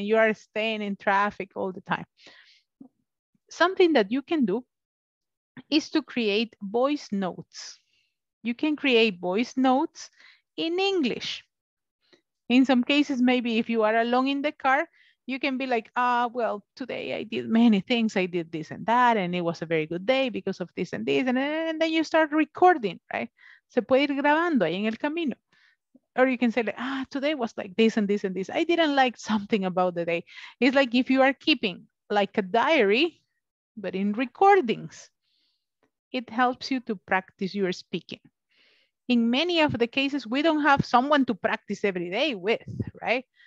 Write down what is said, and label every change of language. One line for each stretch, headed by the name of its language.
English: And you are staying in traffic all the time. Something that you can do is to create voice notes. You can create voice notes in English. In some cases, maybe if you are alone in the car, you can be like, well, today I did many things. I did this and that, and it was a very good day because of this and this. And then you start recording, right?
Spanish: Se puede ir grabando ahí en el camino.
English: Or you can say, like, today was like this and this and this. I didn't like something about the day. It's like if you are keeping like a diary, but in recordings, it helps you to practice your speaking. In many of the cases, we don't have someone to practice every day with, right?